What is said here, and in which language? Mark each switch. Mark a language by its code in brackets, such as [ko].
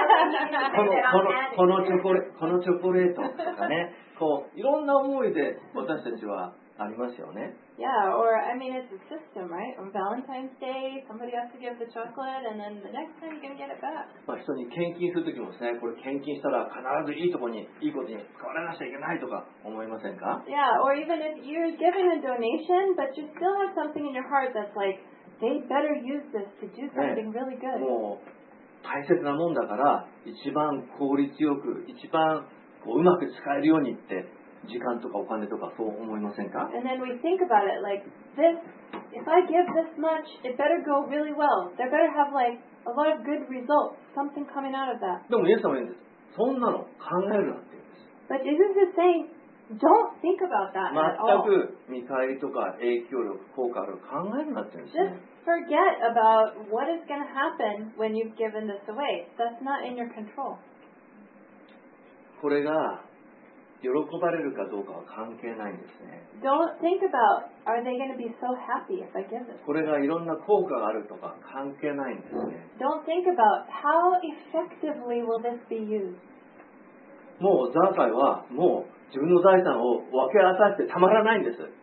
[ja] このチョコレートとかね、こういろんな思いで私たちはありますよね。 [en] Yeah, or I mean, it's a system, right? On Valentine's Day, somebody has to give the chocolate, and then the next time you can get it back. [ja] まあ人に献金するときもですね、これ献金したら必ずいいとこに、いいことに使われなきゃいけないとか思いませんか？ [en] Yeah, or even if you're giving a donation, but you still have something in your heart that's like, they better use this to do something really good. [ja] もう大切なもんだから、一番効率よく、一番こううまく使えるようにって時間とかお金とかそう思いませんか？ [en] And then we think about it like this. If I give this much, it better go really well. They better have like a lot of good results. Something coming out of that. [ja] でもイエス様は言うんです。そんなの考えるなって言うんです。 [en] But Jesus is saying, don't think about that at all. [ja] 全く見返りとか影響力効果ある考えるなって言うんですね。 [en] Just forget about what is going to happen when you've given this away. That's not in your control. [ja] これが喜ばれるかどうかは関係ないんですね。 [en] Don't think about are they going to be so happy if I give this. [ja] これがいろんな効果があるとか関係ないんですね。 [en] Don't think about how effectively will this be used. [ja] もうザーカイはもう自分の財産を分け与えてたまらないんです。